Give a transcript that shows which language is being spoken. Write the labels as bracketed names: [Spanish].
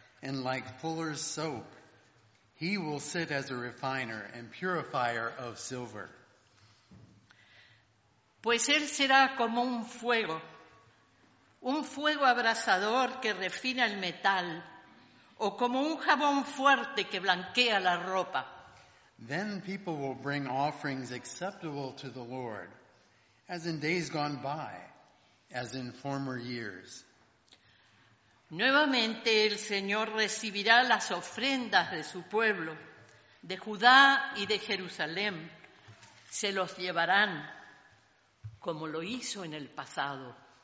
[English] And like fuller's soap, he will sit as a refiner and purifier of silver. [Spanish] Pues él será como un fuego abrasador que refina el metal, o como un jabón fuerte que blanquea la ropa. [English] Then people will bring offerings acceptable to the Lord, as in days gone by, as in former years. [Spanish] Nuevamente el Señor recibirá las ofrendas de su pueblo, de Judá y de Jerusalén. Se los llevarán, como lo hizo en el pasado.